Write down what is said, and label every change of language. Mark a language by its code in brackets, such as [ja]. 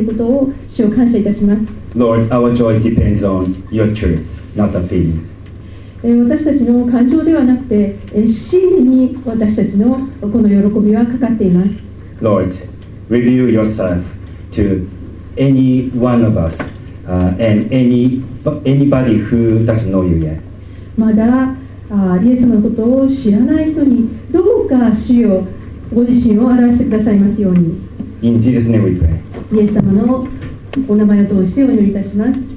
[en] Lord, our joy depends on your truth, not the feelings. [ja] 私たちの感情ではなくて、真理に私たちのこの喜びはかかっています。 [en] Lord, reveal yourself to any one of us, and anybody who doesn't know you yet. [ja] まだ、イエス様のことを知らない人に、どうか主よ、ご自身を表してくださいますように。 [en] In Jesus' name we pray. [ja] イエス様のお名前を通してお祈りいたします。